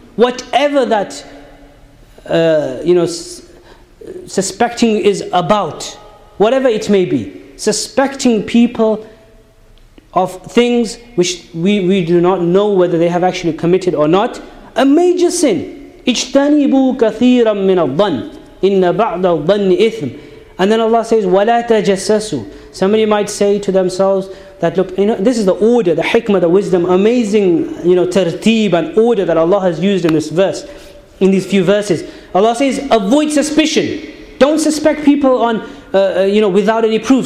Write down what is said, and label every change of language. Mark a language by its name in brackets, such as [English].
[English] Whatever that, suspecting is about. Whatever it may be. Suspecting people of things which we do not know whether they have actually committed or not. A major sin. [Arabic] اجتنبوا كثيرا من الظن إن بعض الظن إثم. [English] And then Allah says, [Arabic] ولا تجسسوا. [English] Somebody might say to themselves that, look, you know, this is the order, the hikmah, the wisdom, amazing, you know, tartib and order that Allah has used in this verse, in these few verses. Allah says, avoid suspicion. Don't suspect people on, without any proof.